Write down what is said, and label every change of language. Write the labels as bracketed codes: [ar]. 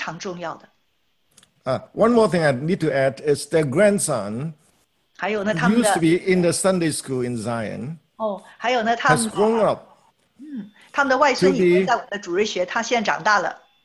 [zh] 对这对父老们在锡安的旅程的当中是非常重要的。 [en] One more thing I need to add is their grandson, [zh] 还有呢，他们的, [en] used to be in the Sunday school in Zion. [zh] 哦，还有呢，他们 [en] has grown up. [zh] 他们的外孙已经在我的主日学，他现在长大了。